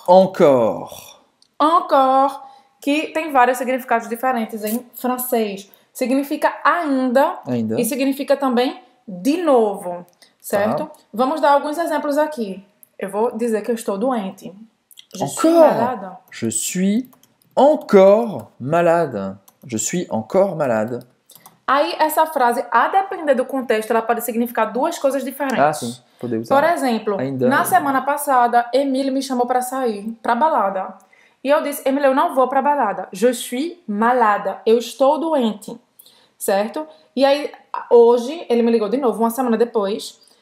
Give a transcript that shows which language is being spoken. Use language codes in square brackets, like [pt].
[fr] Encore. [pt] Encore, que tem vários significados diferentes em francês. Significa ainda, ainda. E significa também de novo, certo? Ah. Vamos dar alguns exemplos aqui. Eu vou dizer que eu estou doente. [fr] Je encore. Suis malade. Je suis encore malade. Je suis encore malade. [pt] Aí, essa frase, a depender do contexto, ela pode significar duas coisas diferentes. Ah, sim. Poder usar. Por exemplo, ainda na semana passada, Emile me chamou para sair, para balada. E eu disse, Emile, eu não vou para balada. [fr] Je suis malade. [pt] Eu estou doente. Certo? E aí, hoje, ele me ligou de novo, uma semana depois.